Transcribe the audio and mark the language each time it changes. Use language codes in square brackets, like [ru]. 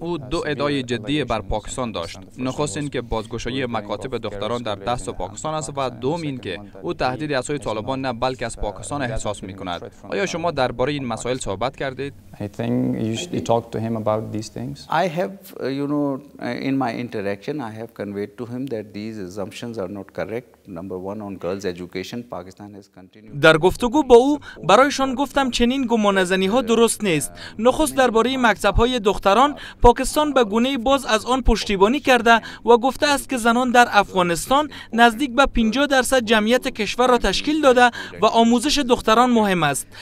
[fa] او دو ادعای جدی بر پاکستان داشت. نخست اینکه بازگشایی مکاتب دختران در دست پاکستان است و دوم اینکه او تهدیدی از سوی طالبان نه بلکه از پاکستان احساس میکند. آیا شما درباره این مسائل صحبت کردید؟ [en] I think you should talk to him about these things. I have you know in my interaction I have conveyed to him that these assumptions are not correct. Number 1 on girls education Pakistan has continued. [fa] در گفتگو با او برایشان گفتم چنین گمانه‌زنی ها درست نیست. نخست درباره مکتب های دختران پاکستان به گونه باز از آن پشتیبانی کرده و گفته است که زنان در افغانستان نزدیک به 50% جمعیت کشور را تشکیل داده و آموزش دختران مهم است.